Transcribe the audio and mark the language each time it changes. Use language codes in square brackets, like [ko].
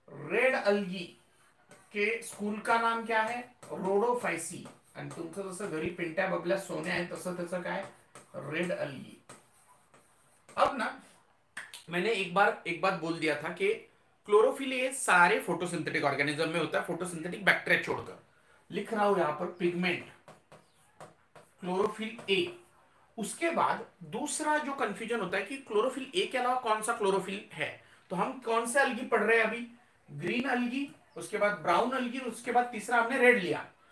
[hi] Red algae के school का नाम क्या है, रोडोफाइसी। [mr] आणि तुमचं जसं घरी पिंट्या बबल्या सोने आहे तसं त्याचं काय, रेड अल्गी। [hi] अब ना मैंने एक बार बोल दिया था कि क्लोरोफिल ये सारे फोटोसिंथेटिक ऑर्गेनिज्म में होता है, फोटोसिंथेटिक बैक्टीरिया छोड़कर। लिख रहा हूं यहां पर पिगमेंट क्लोरोफिल ए। उसके बाद दूसरा जो कंफ्यूजन होता है कि क्लोरोफिल ए के अलावा कौन सा क्लोरोफिल है, तो हम कौन से अल्गी पढ़ रहे हैं अभी, ग्रीन अल्गी, उसके बाद ब्राउन अल्गी, उसके बाद तीसरा हमने रेड लिया।